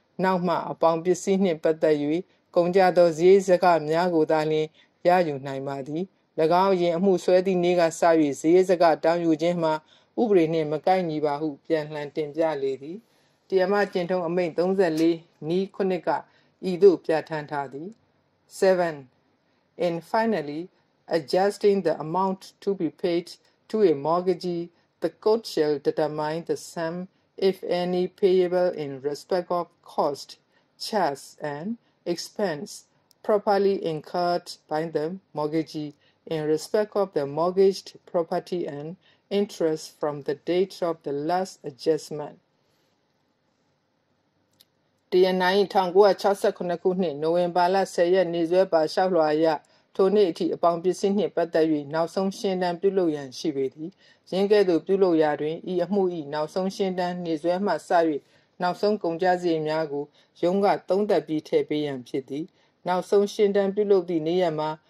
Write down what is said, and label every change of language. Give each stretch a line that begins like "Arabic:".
Burmese: နောက်မှအပေါင်ပစ္စည်းနှင့်ပတ်သက်၍ကုန်ကျသောဇယိတ်စကားများကိုသာလျှင်ရယူနိုင်ပါသည်၎င်းယင်းအမှုဆွဲသည့်နေ့ကစ၍ဇယိတ်စကားတောင်းယူခြင်းမှဥပဒေနှင့်မကိုက်ညီပါဟုပြန်လည်တင်ပြလေသည်တရားမကျင့်ထုံးအမိန့်34နီးခုနှစ်ကဤသို့ပြဋ္ဌာန်းထားသည် 7.
English: In finally adjusting the amount to be paid to a mortgagee, the court shall determine the sum if any payable in respect of cost, charges and expense properly incurred by the mortgagee in respect of the mortgaged property and interest from the date of the last adjustment.
Burmese: တရားနိုင်1968ခုနှစ်နိုဝင်ဘာလ10ရက်နေ့စွဲပါလျှောက်လွှာရထိုနေ့အထိအပေါင်ပစ္စည်းနှင့်ပတ်သက်၍နောက်ဆုံးရှင်းတန်းပြုလုပ်ရန်ရှိပေသည်ယင်းကဲ့သို့ပြုလုပ်ရာတွင်ဤအမှု၏နောက်ဆုံးရှင်းတန်းနေဆွဲမှစ၍နောက်ဆုံးကုန်ကျစရိတ်များကိုရုံးကသုံးသပ်ပြီးထည့်ပေးရန်ဖြစ်သည်နောက်ဆုံးရှင်းတန်းပြုလုပ်သည့်နေ့ရက်မှ